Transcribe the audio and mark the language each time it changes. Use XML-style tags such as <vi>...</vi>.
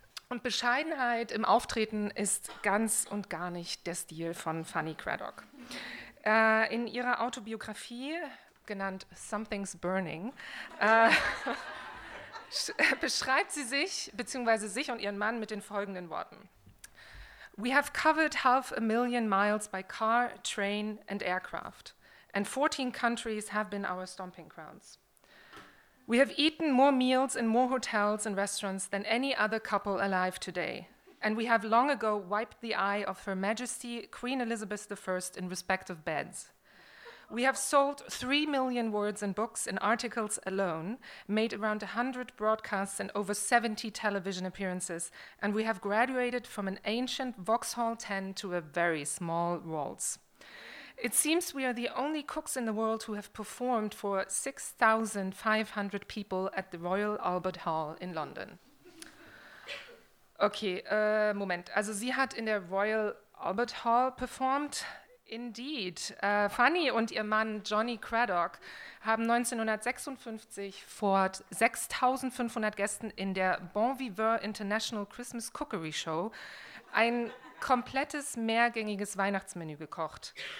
<de>Und Bescheidenheit im Auftreten ist ganz und gar nicht der Stil von Fanny Craddock. In ihrer Autobiografie, genannt Something's Burning, beschreibt sie sich, beziehungsweise sich und ihren Mann, mit den folgenden Worten.</de> <en>We have covered 500,000 miles by car, train and aircraft, and 14 countries have been our stomping grounds. We have eaten more meals in more hotels and restaurants than any other couple alive today. And we have long ago wiped the eye of Her Majesty Queen Elizabeth I in respect of beds. We have sold 3 million words and books and articles alone, made around 100 broadcasts and over 70 television appearances, and we have graduated from an ancient Vauxhall 10 to a very small Rolls. It seems we are the only cooks in the world who have performed for 6,500 people at the Royal Albert Hall in London.</en> <de>Okay, Moment. Also sie hat in der Royal Albert Hall performt. Indeed. Fanny und ihr Mann Johnny Craddock haben 1956 vor 6.500 Gästen in der Bon Viveur International Christmas Cookery Show ein komplettes mehrgängiges Weihnachtsmenü gekocht.</de>